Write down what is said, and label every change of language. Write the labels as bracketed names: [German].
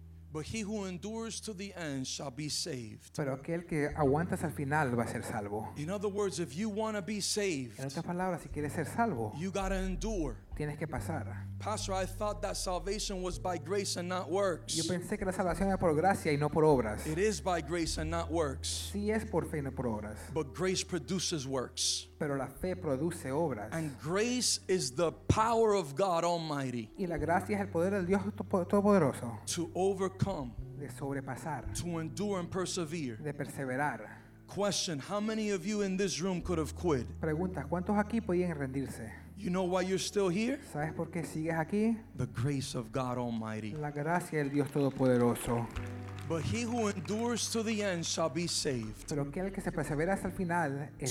[English] But he who endures to the end shall be saved. [Spanish] Pero aquel que aguanta hasta el final va a ser salvo. [English] In other words, if you want to be saved, [Spanish] en otras palabras, si quieres ser salvo, [English] you gotta endure. [Spanish] Tienes que pasar. [English] Pastor, I thought that salvation was by grace and not works. [Spanish] Yo pensé que la salvación era por gracia y no por obras. [English] It is by grace and not works. [Spanish] Sí es por fe y no por obras. [English] But grace produces works. [Spanish] Pero la fe produce obras. [English] And grace is the power of God Almighty. [Spanish] Y la gracia es el poder del Dios Todopoderoso. [English] To overcome. [Spanish] De sobrepasar. [English] To endure and persevere. [Spanish] De perseverar. [English] Question, how many of you in this room could have quit? [Spanish] Pregunta, ¿cuántos aquí podían rendirse? [English] You know why you're still here? [Spanish] ¿Sabes por qué sigues aquí? [English] The grace of God Almighty. [Spanish] La gracia del Dios Todopoderoso. [English] But he who endures to the end shall be saved. [Spanish] Pero aquel que se persevera hasta el final es